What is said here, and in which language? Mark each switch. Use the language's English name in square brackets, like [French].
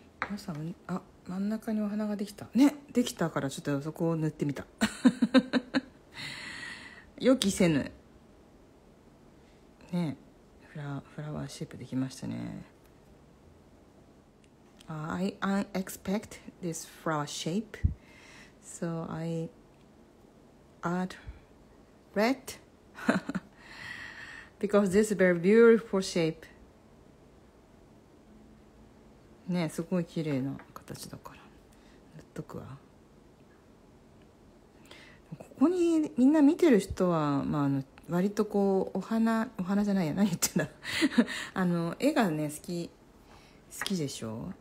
[Japanese] まさに、あ、真ん中にお花ができたね。できたからちょっとそこを塗ってみた予期せぬね、フラワーシェイプできましたね。 [English] I expect this flower shape, so I add red because this is very beautiful shape. [Japanese] ね、すごい綺麗な形だから塗っとくわ。ここにみんな見てる人は、まあ、割とこうお花じゃないや、何言ってんだあの絵がね好きでしょ。